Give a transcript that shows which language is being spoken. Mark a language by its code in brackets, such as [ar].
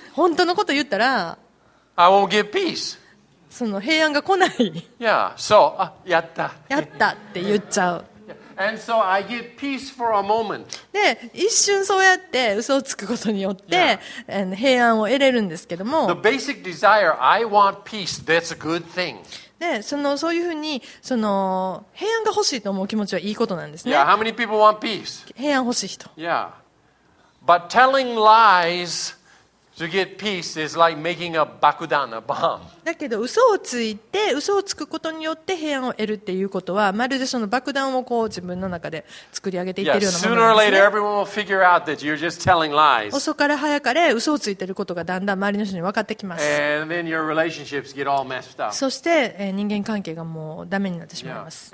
[ja] 本当のこと言ったら [en] I won't get peace. [ja] その平安が来ない [en] yeah. So, [ja] やったやったって言っちゃう [en] And so、I get peace for a moment. [ja] で一瞬そうやって嘘をつくことによって、yeah. 平安を得れるんですけども [en] The basic desire, I want peace, that's a good thing. [ja] でそのそういうふうにその平安が欲しいと思う気持ちはいいことなんですね [en] yeah, how many people want peace? [ja] 平安欲しい人、 [en] yeah. But telling lies to get peace is like making a 爆弾 a bomb. [ja] だけど嘘をついて嘘をつくことによって平安を得るっていうことはまるでその爆弾をこう自分の中で作り上げていってるようなものなんですね。 [en] Yeah, sooner or later everyone will figure out that you're just telling lies. [ja] 遅かれ早かれ嘘をついてることがだんだん周りの人に分かってきます。 [en] And then your relationships get all messed up. [ja] そして人間関係がもうダメになってしまいます。